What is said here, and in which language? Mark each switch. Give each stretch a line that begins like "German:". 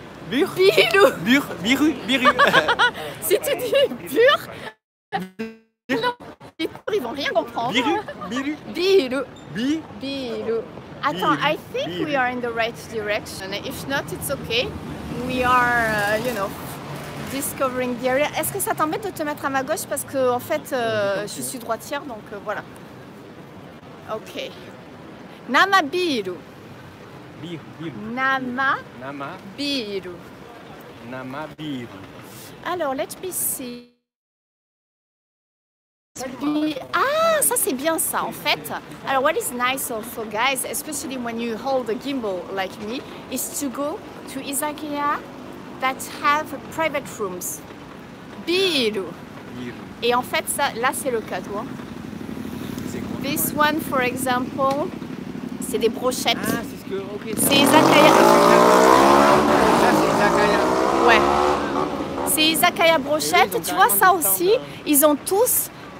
Japanese: Biru. Bir. Biru. Biru.
French: Si tu dis bir. Non. Les pauvres, ils vont rien comprendre.
Japanese: Biru. Biru. Biru. Bi. Biru.
English: Attends, I think we are in the right direction. If not, it's okay. We are, you know, discovering the area.
French: Est-ce que ça t'embête de te mettre à ma gauche? Parce que, en fait, je suis droitière, donc voilà.
Japanese: Ok. Nama biru. Biru, biru. Nama. Nama. Biru. Nama biru.
English: Alors, let me see.
French: Ah, ça c'est bien ça en fait.
English: Alors, what is nice also, guys, especially when you hold a gimbal like me, is to go to izakaya that have private rooms.
Japanese: Biru.
French: Et en fait, ça, là c'est le cas, toi.
English: This one, for example,
French: c'est des brochettes. Ah, c'est ce que. Okay, c'est izakaya. Ça c'est izakaya. Ouais. C'est izakaya brochette. Tu vois ça aussi, ils ont tous.